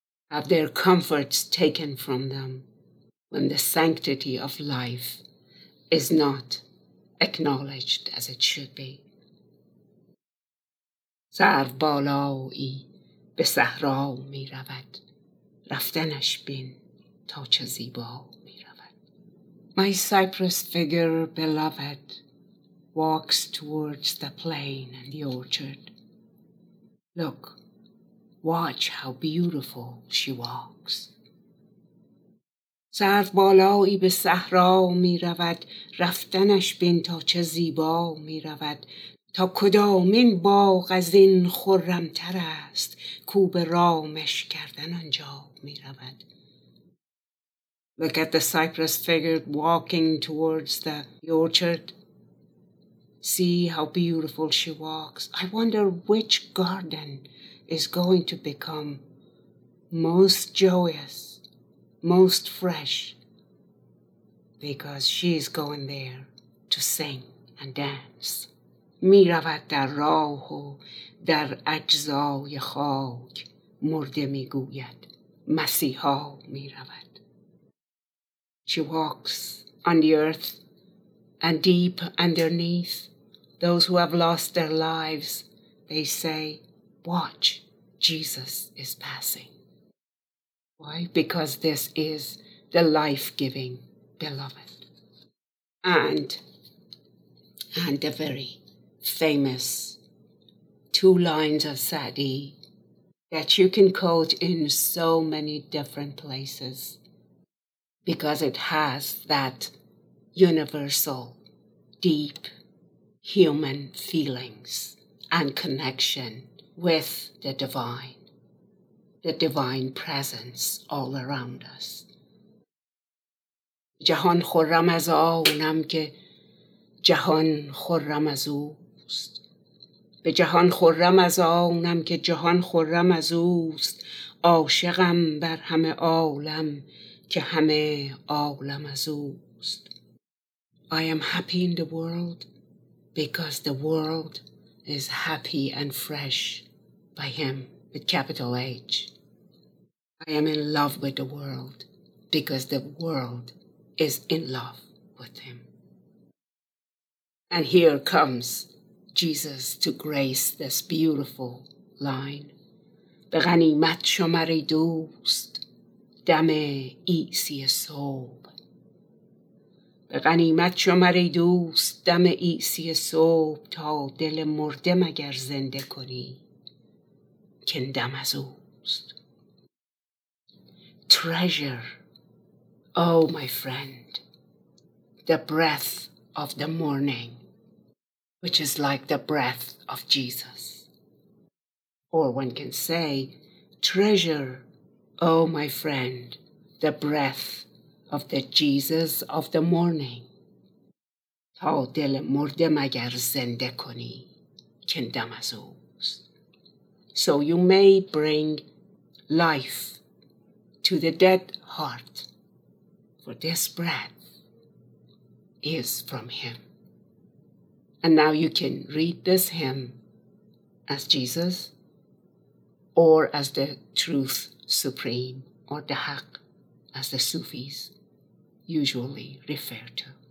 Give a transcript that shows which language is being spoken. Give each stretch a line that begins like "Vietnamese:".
English: have their comforts taken from them, when the sanctity of life is not acknowledged as it should be.
Persian: سر بالایی به صحرا می رود رفتنش بین تا چه زیبا.
English: My cypress figure, beloved, walks towards the plain and the orchard. Look, watch how beautiful she walks.
Persian: سرو بالایی به صحرا می رود، رفتنش بین تا چه زیبا می رود، تا کدامین باغ از این خرمتر است، کوب رامش کردن آنجا می رود.
English: Look at the cypress figure walking towards the orchard. See how beautiful she walks. I wonder which garden is going to become most joyous, most fresh, because she is going there to sing and dance.
Persian: می رود در راه و در اجزای خاک مرده می گوید مسیحا می رود.
English: She walks on the earth and deep underneath, those who have lost their lives, they say, watch, Jesus is passing. Why? Because this is the life-giving beloved. And the very famous two lines of Sa'di that you can quote in so many different places because it has that universal, deep, human feelings and connection with the divine presence all around us.
Persian: جهان خرم از آنم که جهان خرم از اوست. به جهان خرم از آنم که جهان خرم از اوست. عاشقم بر همه عالم که همه عالم از اوست.
English: I am happy in the world because the world is happy and fresh by him, with capital H. I am in love with the world because the world is in love with him. And here comes Jesus to grace this beautiful line.
Persian: به غنیمت شمر ای دوست دم عیسی صبح. به غنیمت شمر ای دوست دم عیسی صبح تا دل مرده مگر زنده کنی که دم از اوست.
English: Treasure, oh my friend, the breath of the morning, which is like the breath of Jesus. Or one can say, treasure, oh my friend, the breath of the Jesus of the morning.
Persian: تا دل مرده مگر زنده کنی که دم از اوست.
English: So you may bring life to the dead heart, for this breath is from him. And now you can read this hymn as Jesus or as the Truth Supreme or the Haq, as the Sufis usually refer to.